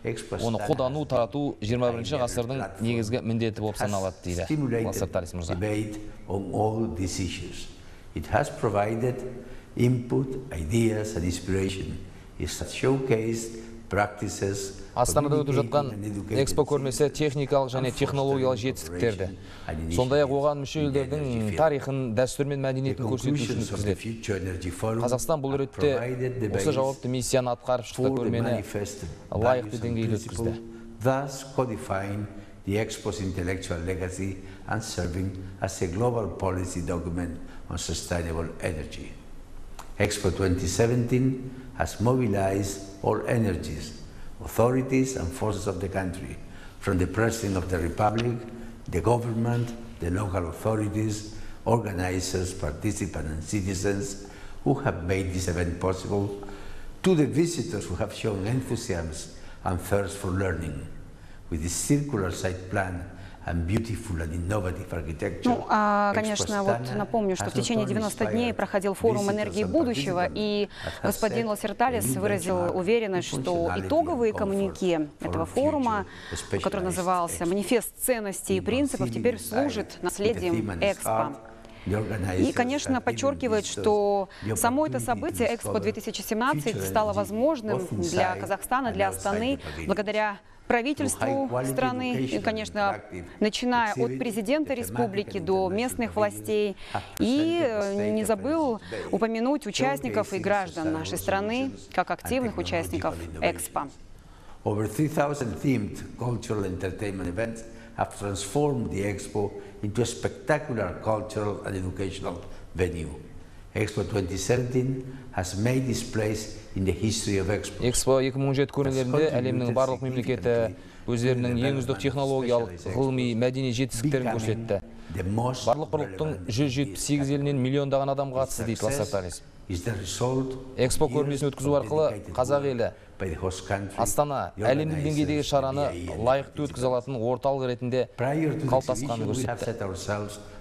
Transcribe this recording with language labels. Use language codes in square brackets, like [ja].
[kk] Оны қолдану тарату 21-ші ғасырдың негізгі міндеті болып саналады дейді Лассерталес мырза. [en] It has provided input, ideas and inspiration is showcased practices. [kk] Астанада өтіп жатқан Экспо көрмесі техникалық және технологиялық жетістіктерді, сондай-ақ оған мүше елдердің тарихын, дәстүр мен мәдениетін көрсету үшін өткізіледі. Қазақстан бұл ретте осы жауапты миссияны атқарып шықты, көрмені лайықты деңгейде өткізді. [en] Thus codifying the Expo's intellectual legacy and serving as a global policy document on sustainable energy. Expo 2017 has mobilized all energies, authorities and forces of the country, from the President of the Republic, the government, the local authorities, organizers, participants and citizens who have made this event possible, to the visitors who have shown enthusiasm and thirst for learning. With this circular site plan and beautiful and innovative architecture. [ru] Ну, а, конечно, вот напомню, что в течение 90 дней проходил форум энергии будущего, и господин Лосерталес выразил уверенность, что итоговые коммюнике этого форума, который назывался «Манифест ценностей и принципов», теперь служит наследием Экспо. И, конечно, подчеркивает, что само это событие, Экспо-2017, стало возможным для Казахстана, для Астаны, благодаря правительству страны, и, конечно, начиная от президента республики до местных властей. И не забыл упомянуть участников и граждан нашей страны, как активных участников Экспо. [en] Over 3,000 themed cultural entertainment events have transformed the Expo into a spectacular cultural and educational venue. Expo 2017 has made this place in the history of Expo. [kk] Expo 2017 көрмелерінде әлемнің барлық мемлекеті өздерінің ең үздік технологиялық, ғылыми, мәдени жетістіктерін көрсетті. Барлық құрлықтың 178 елінен миллиондаған адам қатысты, дейді Лосерталес. Экспо көрмесін өткізу арқылы қазақ елі, Астана, әлемдің деңгейдегі шараны лайықты өткізе алатын орталық ретінде қалыптасқанын көрсетті.